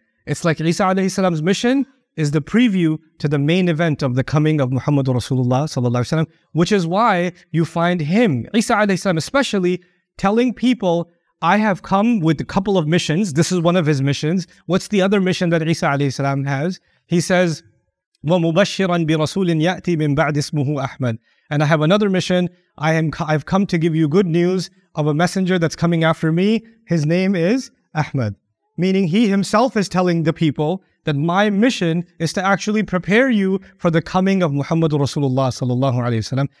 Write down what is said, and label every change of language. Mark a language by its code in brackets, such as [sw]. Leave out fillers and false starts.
[en] It's like Isa alayhi salam's mission is the preview to the main event of the coming of Muhammad Rasulullah sallallahu alayhi wasallam, which is why you find him, Isa alayhi salam especially, telling people, I have come with a couple of missions. This is one of his missions. What's the other mission that Isa alayhi salam has? He says, [ar] وَمُبَشِّرًا بِرَسُولٍ يَأْتِي مِنْ بَعْدِ اسْمُهُ أَحْمَدٍ. [en] And I have another mission. I've come to give you good news of a messenger that's coming after me. His name is Ahmad. Meaning he himself is telling the people that my mission is to actually prepare you for the coming of Muhammad Rasulullah sallallahu alaihi wasallam.